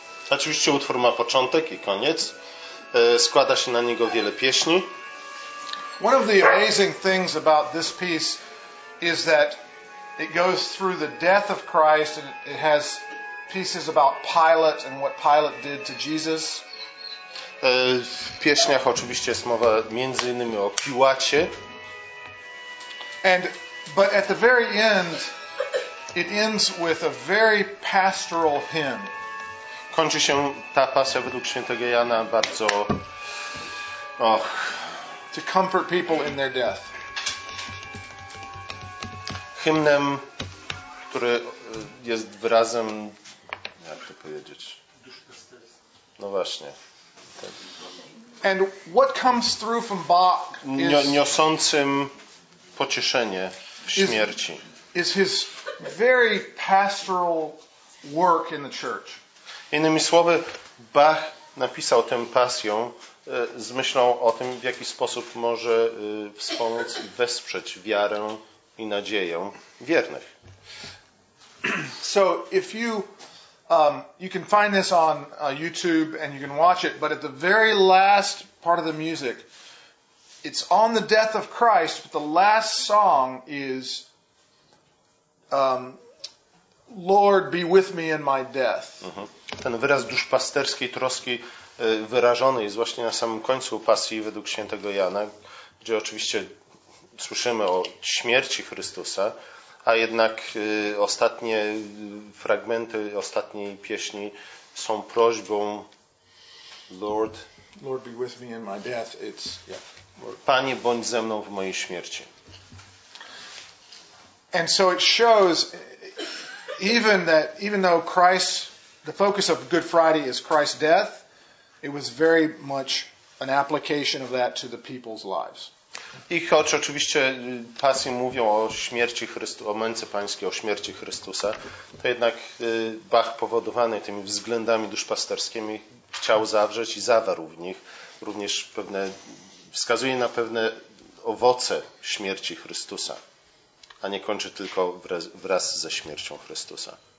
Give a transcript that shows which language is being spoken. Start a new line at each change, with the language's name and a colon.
Polish: Oczywiście utwór ma początek i koniec. Składa się na niego wiele pieśni.
English: One of the amazing things about this piece is that it goes through the death of Christ, and it has pieces about Pilate and what Pilate did to Jesus.
Polish: W pieśniach oczywiście jest mowa między innymi o Piłacie.
English: And but at the very end, it ends with a very pastoral hymn.
Polish: Kończy się ta pasja według świętego Jana bardzo. Och.
English: To comfort people in their death.
Polish: Hymnem, który jest wyrazem, jak to powiedzieć? No właśnie. Ten.
English: And what comes through from Bach is
Polish: niosącym pocieszenie w śmierci.
English: Is his very pastoral work in the church.
Polish: Innymi słowy, Bach napisał tę pasją z myślą o tym, w jaki sposób może wspomóc i wesprzeć wiarę i nadzieję wiernych.
English: So if you you can find this on YouTube and you can watch it, but at the very last part of the music, it's on the death of Christ, but the last song is Lord, be with me in my death. Mm-hmm.
Polish: Ten wyraz duszpasterskiej troski wyrażony jest właśnie na samym końcu pasji według świętego Jana, gdzie oczywiście słyszymy o śmierci Chrystusa, a jednak ostatnie fragmenty ostatniej pieśni są prośbą Lord
English: be with me in my death. It's, yeah.
Polish: Panie, bądź ze mną w mojej śmierci.
English: And so it shows even that even though Christ, the focus of Good Friday is Christ's death, it was very much an application of that to the people's lives.
Polish: I choć oczywiście pasje mówią o śmierci Chrystusa, o męce pańskiej, o śmierci Chrystusa, to jednak Bach powodowany tymi względami duszpasterskimi chciał zawrzeć i zawarł w nich również pewne, wskazuje na pewne owoce śmierci Chrystusa, a nie kończy tylko wraz ze śmiercią Chrystusa.